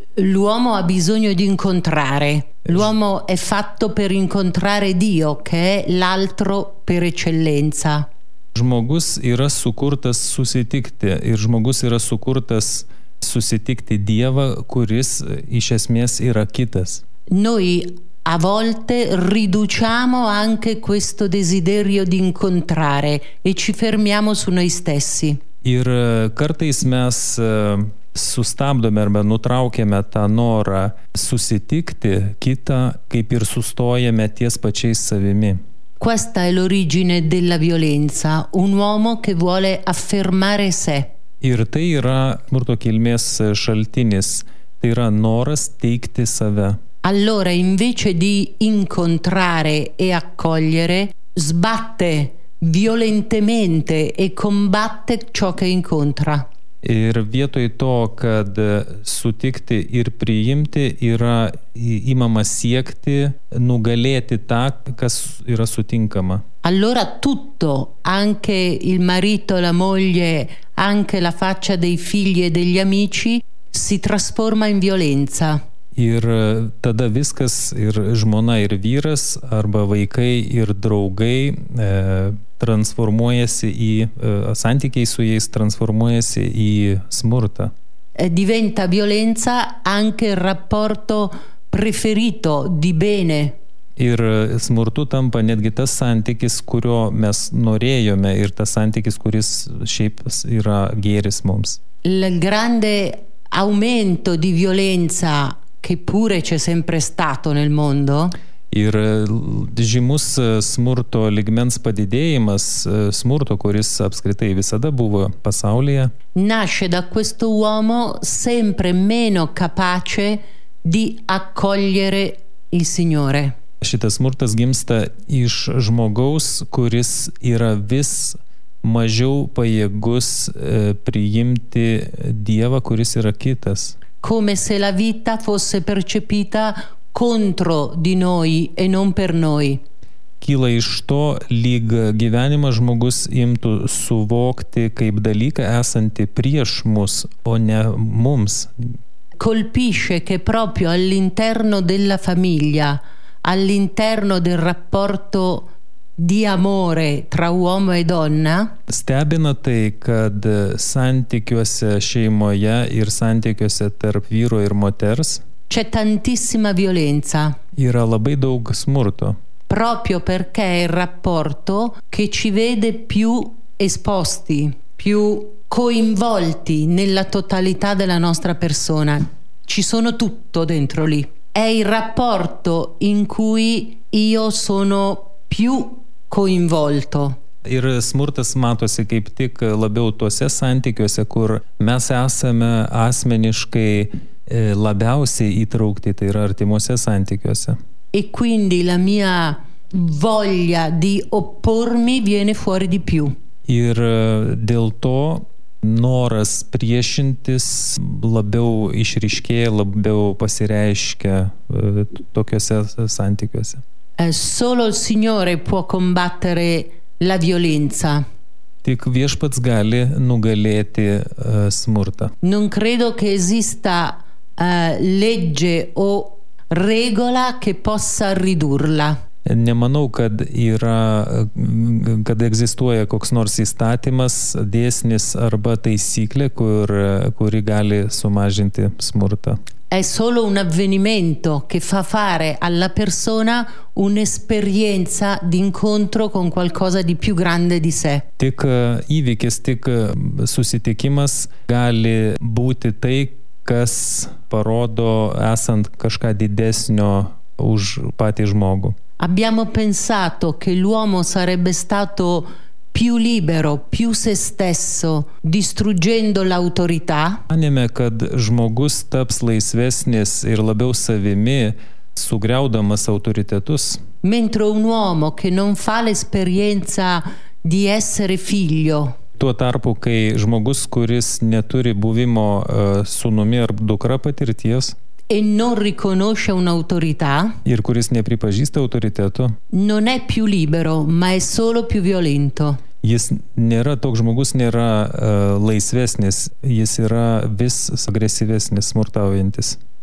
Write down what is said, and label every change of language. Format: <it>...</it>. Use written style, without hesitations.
<it>L'uomo ha bisogno di incontrare. L'uomo è fatto per incontrare Dio, che è l'altro per eccellenza.</it> <lt>Žmogus yra sukurtas susitikti ir žmogus yra sukurtas susitikti Dievą, kuris iš esmės yra kitas.</lt> <it>Noi a volte riduciamo anche questo desiderio di incontrare e ci fermiamo su noi stessi.</it> <lt>Ir kartais mes sustabdome arba nutraukiame tą norą susitikti kitą, kaip ir sustojame ties pačiais savimi.</lt> <it>Questa è l'origine della violenza, un uomo che vuole affermare sé.</it> <lt>Ir tai yra smurto kilmės šaltinis, tai yra noras teikti save.</lt> <it>Allora, invece di incontrare e accogliere, sbatte violentemente e combatte ciò che incontra.</it> <lt>Ir vietoj to, kad sutikti ir priimti, yra įmama siekti nugalėti tą, kas yra sutinkama.</lt> <it>Allora tutto, anche il marito, la moglie, anche la faccia dei figli e degli amici, si trasforma in violenza.</it> <lt>Ir tada viskas, ir žmona, ir vyras, arba vaikai, ir draugai transformuojasi į santykiai su jais transformuojasi į smurtą.</lt> <it>Diventa violenza anche il rapporto preferito di bene.</it> <lt>Ir smurtu tampa netgi tas santykis, kurio mes norėjome ir tas santykis, kuris šiaip yra gėris mums.</lt> <it>Il grande aumento di violenza che pure c'è sempre stato nel mondo.</it> <lt>Ir žymus smurto lygmens padidėjimas, smurto, kuris apskritai visada buvo pasaulyje.</lt> <it>Nasce da questo uomo sempre meno capace di accogliere il Signore.</it> <lt>Šitas smurtas gimsta iš žmogaus, kuris yra vis mažiau pajėgus priimti Dievą, kuris yra kitas.</lt> <it>Come se la vita fosse percepita contro di noi e non per noi.</it> <lt>Kyla iš to, lyg gyvenimą žmogus imtų suvokti kaip dalyką esantį prieš mus, o ne mums.</lt> <it>Colpisce che proprio all'interno della famiglia, all'interno del rapporto di amore tra uomo e donna.</it> <lt>Stebina tai, kad santykiuose šeimoje ir santykiuose tarp vyro ir moters</lt> <it>c'è tantissima violenza.</it> <lt>Yra labai daug smurto.</lt> <it>Proprio perché è il rapporto che ci vede più esposti, più coinvolti nella totalità della nostra persona. Ci sono tutto dentro lì. È il rapporto in cui io sono più coinvolto.</it> <lt>Ir smurtas matosi kaip tik labiau tuose santykiuose, kur mes esame asmeniškai labiausiai įtraukti, tai yra artimuose santykiuose.</lt> <it>E quindi la mia voglia di oppormi viene fuori di più.</it> <lt>Ir dėl to noras priešintis labiau išryškėja, labiau pasireiškia tokiuose santykiuose.</lt> <it>Solo il Signore può combattere la violenza.</it> <lt>Tik Viešpats gali nugalėti smurtą.</lt> <it>Non credo che esista legge o regola che possa ridurla.</it> <lt>Nemanau, kad yra, kad egzistuoja koks nors įstatymas, dėsnis arba taisyklė, kuri gali sumažinti smurtą.</lt> <it>È solo un avvenimento che fa fare alla persona un'esperienza d'incontro con qualcosa di più grande di sé.</it> <lt>Tik įvykis, tik susitikimas gali būti tai, kas parodo esant kažką didesnio už patį žmogų.</lt> <it>Abbiamo pensato che l'uomo sarebbe stato più libero, più se stesso, distruggendo l'autorità.</it> <lt>Manėme, kad žmogus taps laisvesnis ir labiau savimi, sugriaudamas autoritetus.</lt> <it>Mentre un uomo che non fa l'esperienza di essere figlio.</it> <lt>Tuo tarpu, kai žmogus, kuris neturi buvimo sūnumi ar dukra patirties.</lt> <it>E non riconosce un'autorità.</it> <lt>Ir kuris nepripažįsta autoriteto.</lt> <it>Non è più libero, ma è solo più violento.</it> <lt>Jis nėra, toks žmogus nėra laisvesnis, jis yra vis agresyvesnis, smurtaujantis.</lt>